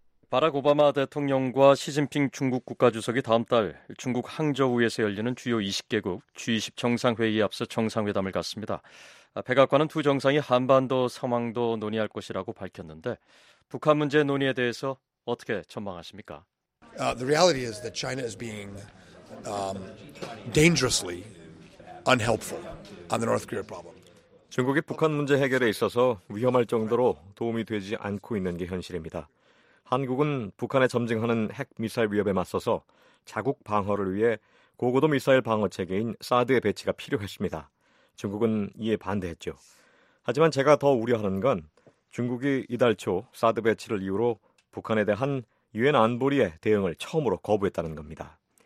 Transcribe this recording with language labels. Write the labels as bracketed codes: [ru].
[ko] 바락 오바마 대통령과 시진핑 중국 국가주석이 다음 달 중국 항저우에서 열리는 주요 20개국 G20 정상회의에 앞서 정상회담을 갖습니다. 백악관은 두 정상이 한반도 상황도 논의할 것이라고 밝혔는데 북한 문제 논의에 대해서 어떻게 전망하십니까? [en] The reality is that China is being dangerously unhelpful on the North Korea problem. [ko] 중국이 북한 문제 해결에 있어서 위험할 정도로 도움이 되지 않고 있는 게 현실입니다. 한국은 북한에 점증하는 핵미사일 위협에 맞서서 자국 방어를 위해 고고도 미사일 방어 체계인 사드의 배치가 필요했습니다. 중국은 이에 반대했죠. 하지만 제가 더 우려하는 건 중국이 이달 초 사드 배치를 이유로 북한에 대한 유엔 안보리의 대응을 처음으로 거부했다는 겁니다.